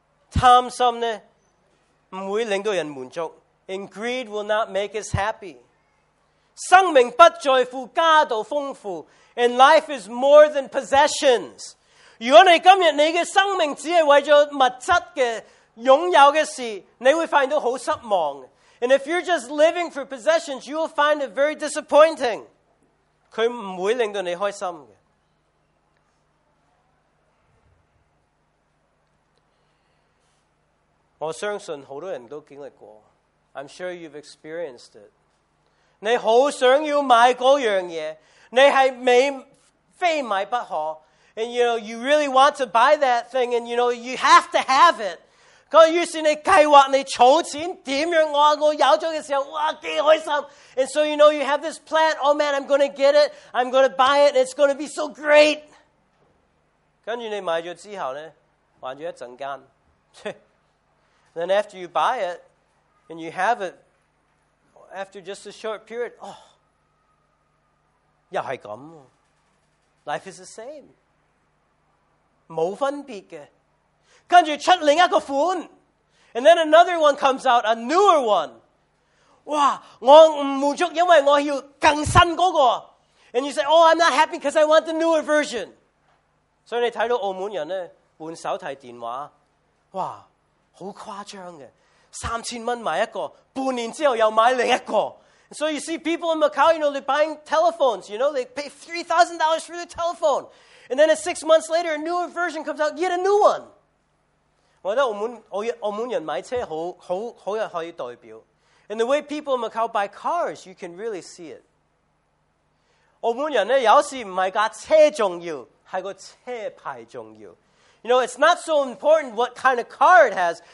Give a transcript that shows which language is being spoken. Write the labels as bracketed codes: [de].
[yue] 贪心呢不会令到人满足， [en] And greed will not make us happy。 [yue] 生命不在乎家道丰富， [en] And life is more than possessions。 [yue] 如果你今天你的生命只是为了物质的拥有的事，你会find到很失望。 [en] And if you're just living for possessions, you will find it very disappointing。 [yue] 它不会令到你开心的。我相信很多人都经历过， [en] I'm sure you've experienced it。 [yue] 你很想要买那样东西，你是没非买不可， [en] And you know, you really want to buy that thing, And you know, you have to have it。 [yue] 于是你计划你储钱怎样，我有了的时候哇多开心。 [en] And so you know, you have this plan, Oh man, I'm going to get it, I'm going to buy it, It's going to be so great。 [yue] 跟着你买了之后呢，玩了一阵间 [en] Then after you buy it, and you have it, after just a short period, oh, [yue] 又是这样。 [en] Life is the same. [yue] 没分别的。跟着出另一个款。 [en] And then another one comes out, a newer one. [yue] 哇，我不满足因为我要更新那个。 [en] And you say, oh, I'm not happy because I want the newer version. [yue] 所以你看到澳门人呢，换手提电话，哇，好夸张嘅，$3,000买一个，半年之后又买另一个。 [en] So you see people in Macau, you know, they're buying telephones, you know, they pay $3,000 for the telephone. And then 6 months later, a newer version comes out, yet a new one. [yue] 我觉得澳门人买车好可以代表。 [en] And the way people in Macau buy cars, you can really see it. [yue] 澳门人呢，有时唔系架车重要，系个车牌重要。 [en] You know, it's not so important what kind of car it has.